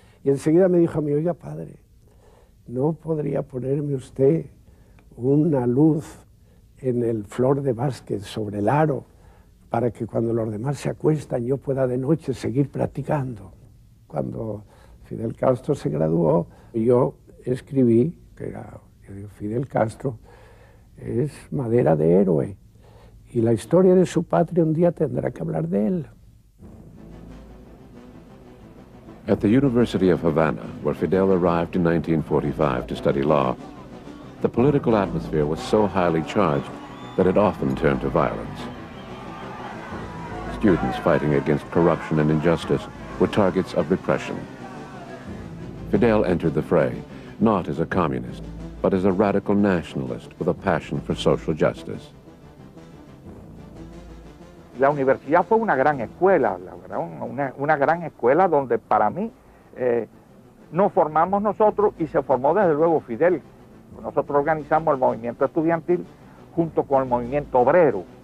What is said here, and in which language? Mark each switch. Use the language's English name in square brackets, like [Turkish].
[Spanish] Y enseguida me dijo a mí, oiga padre, ¿no podría ponerme usted una luz en el flor de básquet sobre el aro para que cuando los demás se acuestan yo pueda de noche seguir practicando? Cuando Fidel Castro se graduó, yo escribí que era Fidel Castro, es madera de héroe, y la historia de su patria un día tendrá que hablar de él. [English] At the University of Havana, where Fidel arrived in 1945 to study law, the political atmosphere was so highly charged that it often turned to violence. Students fighting against corruption and injustice were targets of repression. Fidel entered the fray, not as a communist, but as a radical nationalist with a passion for social justice. [Spanish] La universidad fue una gran escuela, la verdad, una gran escuela donde para mí nos formamos nosotros y se formó desde luego Fidel. Nosotros organizamos el movimiento estudiantil junto con el movimiento obrero.